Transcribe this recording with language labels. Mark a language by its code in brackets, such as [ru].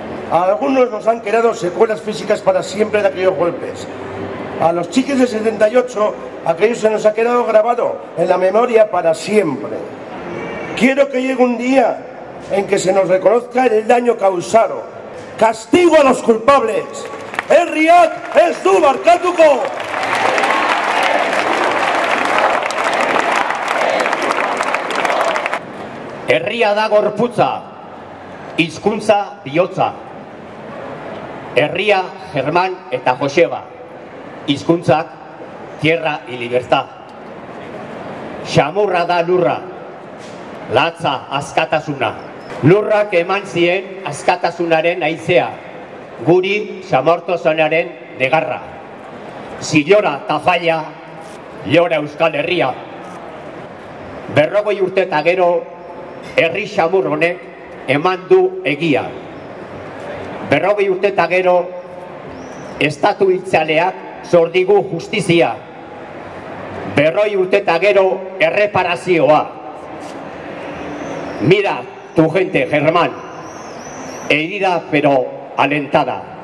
[es] A algunos nos han quedado secuelas físicas para siempre de aquellos golpes. A los chiquis de 78, aquello se nos ha quedado grabado en la memoria para siempre. Quiero que llegue un día en que se nos reconozca el daño causado. ¡Castigo a los culpables! [eu] ¡Herriak ez du barkatuko! Herria da gorputza, hizkuntza bihotza. Herria Germán eta Joseba, hizkuntzak [es] tierra y libertad. [eu] Xamurra da lurra, latza askatasuna. Lurrak eman zien askatasunaren haizea, guri xamortasunaren negarra. [es] Zilora tafalla, llora Euskal Herria. [eu] 40 urte eta gero, herri xamur honek eman du egia. 40 urte eta gero, estatu itzaleak zordigu justizia. 40 urte eta gero, erreparazioa. [es] Mira tu gente, Germán, herida pero alentada.